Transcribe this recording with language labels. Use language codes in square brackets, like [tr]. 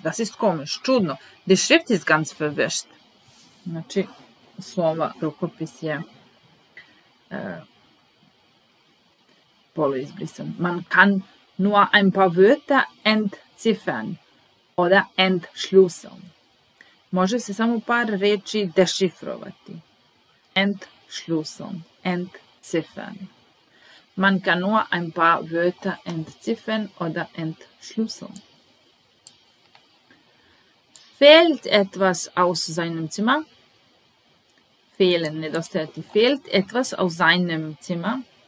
[de] Das ist komisch, čudno. Die Schrift ist ganz verwischt. [sr] Znači, slova, rukopis je poluizbrisan. [de] Man kann nur ein paar Wörter entziffern oder entschlüsseln. [sr] Može se samo par reči dešifrovati. [de] Entschlüsseln, entziffern. Man kann nur ein paar Wörter entziffern oder entschlüsseln. Fehlt etwas aus seinem Zimmer? Fehlen, nedostajati. Fehlt etwas aus seinem Zimmer?